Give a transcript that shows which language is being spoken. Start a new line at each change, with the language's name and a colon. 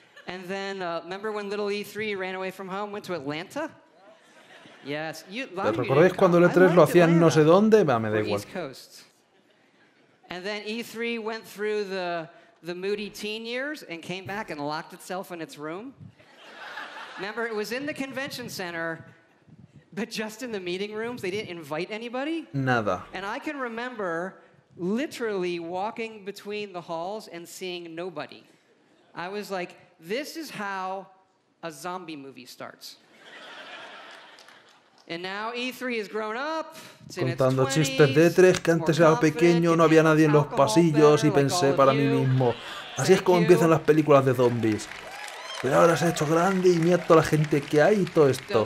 English: And then, remember when little E3 ran away from home, went to Atlanta? Yes.
Spanish: ¿Recordáis cuando el E3 lo hacían no sé dónde? Me da igual.
English: And then E3 went through the moody teen years and came back and locked itself in its room. Remember, it was in the convention center, but just in the meeting rooms. They didn't invite anybody.
Spanish: Nada.
English: And I can remember literally walking between the halls and seeing nobody. I was like, this is how a zombie movie starts. And now E3 has grown up.
Spanish: Contando chistes de E3, que antes era pequeño, no había nadie en los pasillos y pensé para mí mismo, así es como empiezan las películas de zombies. Pero ahora se ha hecho grande y mira toda la gente que hay y todo esto.